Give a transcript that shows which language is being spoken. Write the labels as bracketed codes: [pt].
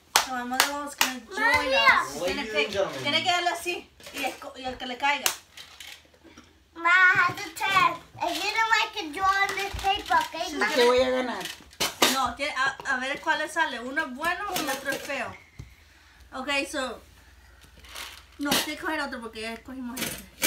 [en] My mother was gonna join us. Ladies and gentlemen. [es] Tiene que darle así y el que le caiga. [en] Ma has a turn. If you don't like to draw on this paper, okay? [es] Sí, te voy a ganar. No, a ver cuál le sale. Uno es bueno y el otro es feo. Okay, so. No, tiene que coger otro porque ya escogimos este.